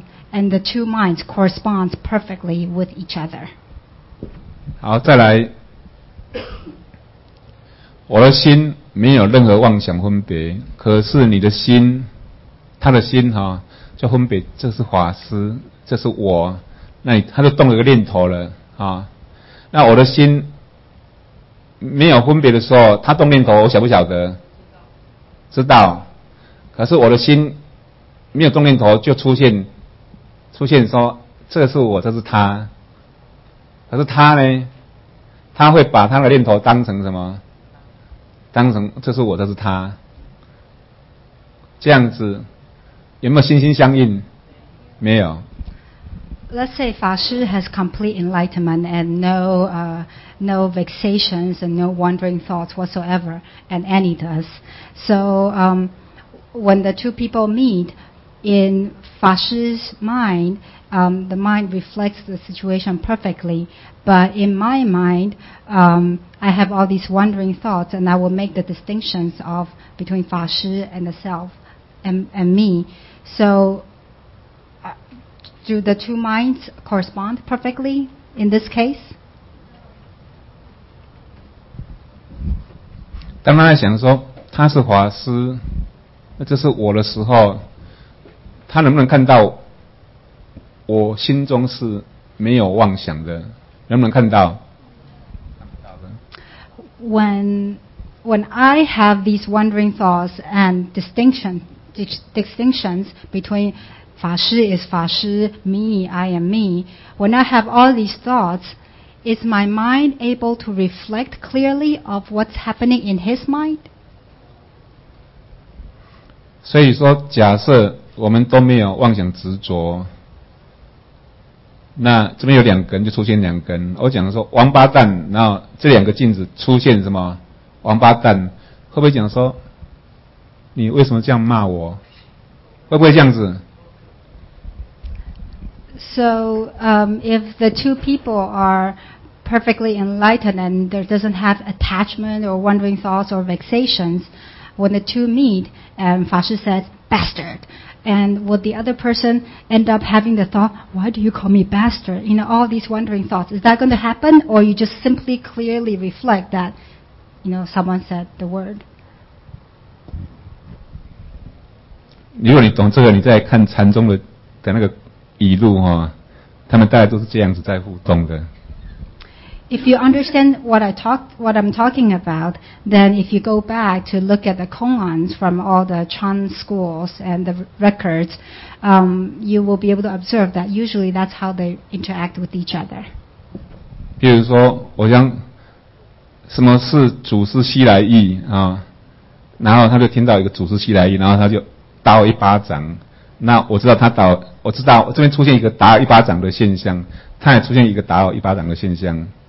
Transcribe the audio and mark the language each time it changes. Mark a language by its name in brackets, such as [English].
[English] And the two minds correspond perfectly with each other. [Chinese] 好，再来，我的心没有任何妄想分别，可是你的心，他的心哈，就分别，这是法师，这是我，那他就动了个念头了啊。那我的心没有分别的时候，他动念头，我晓不晓得？知道。可是我的心没有动念头，就出现说这是我，这是他。可是他呢，他会把他的念头当成什么？当成这是我，这是他。这样子有没有心心相印？没有。 [English] Let's say 法师 has complete enlightenment and no vexations and no wandering thoughts whatsoever, and any does. So when the two people meet,In Fashi's mind, the mind reflects the situation perfectly. But in my mind, I have all these wandering thoughts, and I will make the distinctions of between Fashi and the self and me. So, do the two minds correspond perfectly in this case? [Chinese] 当他在想说他是法师，那这是我的时候。他能不能看到我心中是没有妄想的？能不能看到？ [English] When I have these wandering thoughts and distinctions between 法师 is 法师 me I am me, when I have all these thoughts, is my mind able to reflect clearly of what's happening in his mind? [Chinese] 所以说，假设。我们都没有妄想执着，那这边有两根就出现两根。我讲说王八蛋，然后这两个镜子出现什么王八蛋，会不会讲说你为什么这样骂我？会不会这样子 [English] ？So, if the two people are perfectly enlightened and there doesn't have attachment or wandering thoughts or vexations, when the two meet, Fashi says, "Bastard." And would the other person end up having the thought, why do you call me bastard? You know, all these wandering thoughts. Is that going to happen? Or you just simply clearly reflect that, you know, someone said the word? [Chinese] 如果你懂这个，你再看禅宗的那个语录，他们大概都是这样子在互动的。 [English] If you understand what I'm talking about, then if you go back to look at the koans from all the Chan schools and the records, you will be able to observe that usually that's how they interact with each other. [Chinese] 比如说，我像什么是祖师西来意啊？然后他就听到一个祖师西来意，然后他就打我一巴掌。那我知道他打，我知道这边出现一个打一巴掌的现象，他也出现一个打我一巴掌的现象。